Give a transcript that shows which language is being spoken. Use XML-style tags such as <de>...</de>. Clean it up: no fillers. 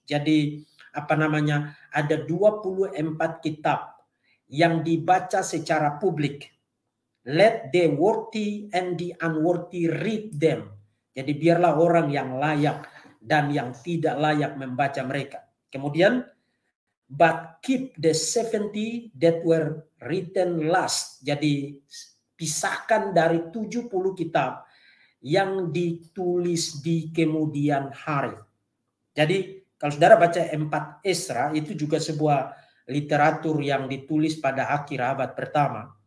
<id>Jadi ada 24 kitab yang dibaca secara publik.</id> <en>Let the worthy and the unworthy read them.</en> <id>Jadi biarlah orang yang layak dan yang tidak layak membaca mereka.</id> <en>Kemudian, but keep the 70 that were written last.</en> <id>Jadi pisahkan dari 70 kitab yang ditulis di kemudian hari. Jadi kalau saudara baca 4 Esra, itu juga sebuah literatur yang ditulis pada akhir abad pertama.</id>